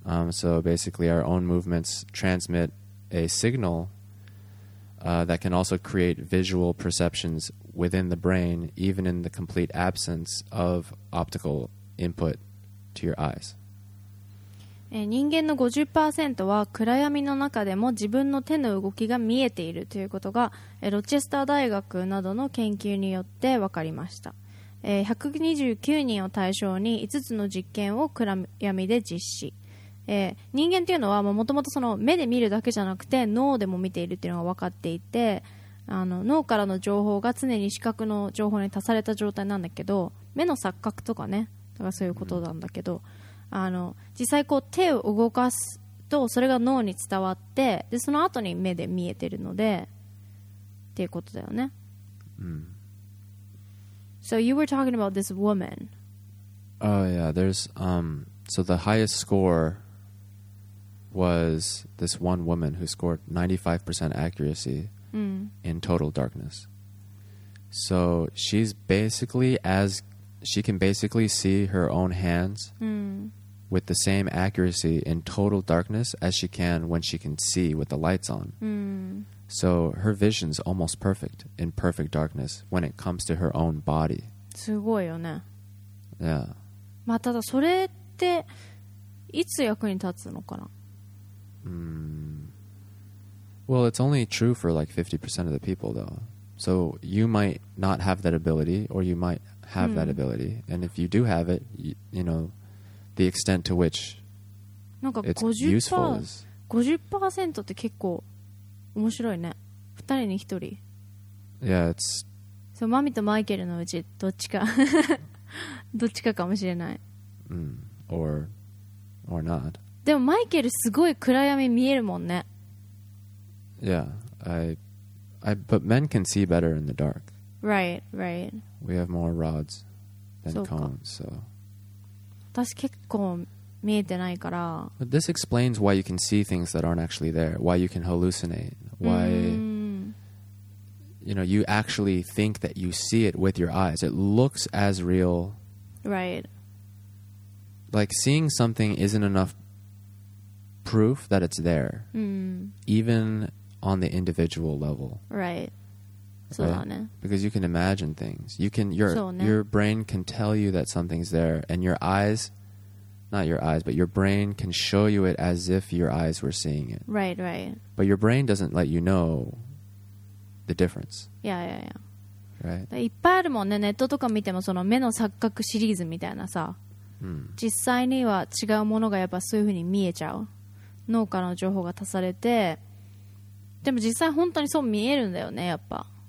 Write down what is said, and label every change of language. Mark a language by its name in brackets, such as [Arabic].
[English] So basically, our own movements transmit a signal that can also create visual perceptions within the brain, even in the complete absence of optical input to your eyes. [Japanese] 人間の 50% は暗闇の中でも自分の手の動きが見えているということがロチェスター大学などの研究によって分かりました。 129人を対象に5つの実験を暗闇で実施。人間というのはもともとその目で見るだけじゃなくて脳でも見ているというのが分かっていて、あの脳からの情報が常に視覚の情報に足された状態なんだけど、目の錯覚とかね、だからそういうことなんだけど、あの実際こう手を動かすとそれが脳に伝わって、でその後に目で見えてるのでっていうことだよね。 [English] So you were talking about this woman. Oh yeah, there's so the highest score was this one woman who scored 95% accuracy in total darkness. So she's basically she can basically see her own hands with the same accuracy in total darkness as she can when she can see with the lights on. Mm. So her vision's almost perfect in perfect darkness when it comes to her own body. [Japanese] すごいよね。 [English] Yeah. [Japanese] まあただそれっていつ役に立つのかな。 [English] Well, it's only true for like 50% of the people though. So you might not have that ability or you might have that ability. And if you do have it, you know, the extent to which it's useful is... [Japanese] 50% って結構面白いね。二人に一人。 [English] Yeah, it's... [Japanese] そう、マミとマイケルのうちどっちか。どっちかかもしれない。 [English] Or not. [Japanese] でもマイケルすごい暗闇見えるもんね。 [English] Yeah, But men can see better in the dark. Right, right. We have more rods than cones, so... [Japanese] 私結構見えてないから。 [English] But this explains why you can see things that aren't actually there, why you can hallucinate, why... You know, you actually think that you see it with your eyes. It looks as real. Right. Like, seeing something isn't enough proof that it's there. Even... on the individual level. Right. So right? [Japanese] だね。 [English] Because you can imagine things. You can your brain can tell you that something's there and your brain can show you it as if your eyes were seeing it. Right, right. But your brain doesn't let you know the difference. Yeah, yeah, yeah. Right. [Japanese] いっぱいあるもんね。ネットとか見てもその目の錯覚シリーズみたいなさ。実際には違うものがやっぱそういう風に見えちゃう。脳からの情報が足されて、でも実際本当にそう見えるんだよね、やっぱ。